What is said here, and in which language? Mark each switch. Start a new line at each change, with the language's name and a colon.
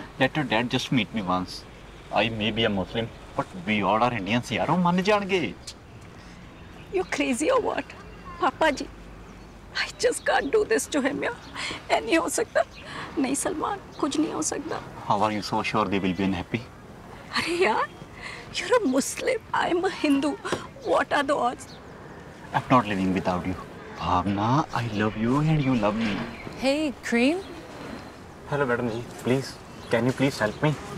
English: Let your dad just meet me once. I may be a Muslim, but we all are Indians, yaar.
Hindi: Hum maan jaange.
English: You crazy or what? Papa ji, I just can't do this to him, yaar.
Hindi: एक नहीं हो सकता. नहीं, सलमान, कुछ नहीं हो सकता.
English: How are you so sure they will be unhappy?
Hindi: Arre yaar,
English: you're a Muslim. I'm a Hindu. What are the odds? I'm not living without you. Bhavna, I love you and you love me. Hey, Cream. Hello, madam ji. Please, can you please help me?